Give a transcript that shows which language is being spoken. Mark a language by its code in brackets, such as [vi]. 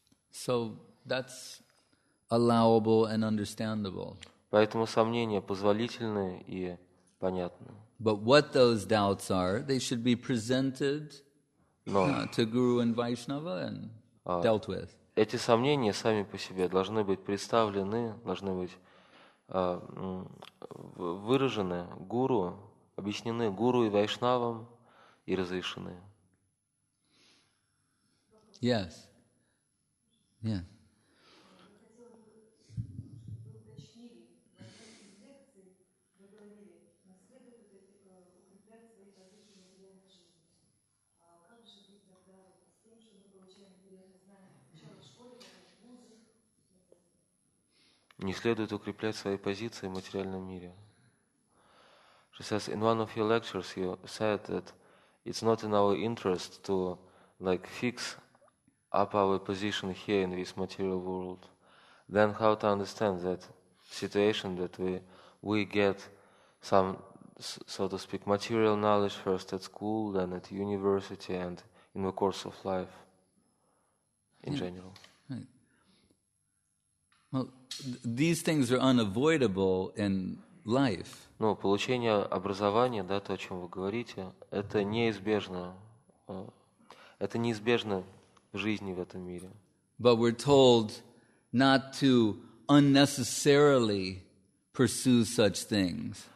[en] So that's allowable and understandable. [ru] Поэтому сомнения позволительны и понятны. [en] But what those doubts are, they should be presented to Guru and Vaishnava and dealt with. [ru] Эти сомнения сами по себе должны быть представлены, должны быть выражены гуру, объяснены гуру и вайшнавам и разрешены. [en] Yes. Yeah. Mm-hmm. [ru] Не следует укреплять свои позиции в материальном мире. [en] She says, in one of your lectures, you said that it's not in our interest to like fix up our position here in this material world. Then how to understand that situation that we get some, so to speak, material knowledge first at school, then at university, and in the course of life in general? Well, these things are unavoidable in life. [ru] Ну, получение образования, да, то, о чем вы говорите, это неизбежно. Это неизбежно в жизни в этом мире. [en] But we're told not to unnecessarily pursue such things.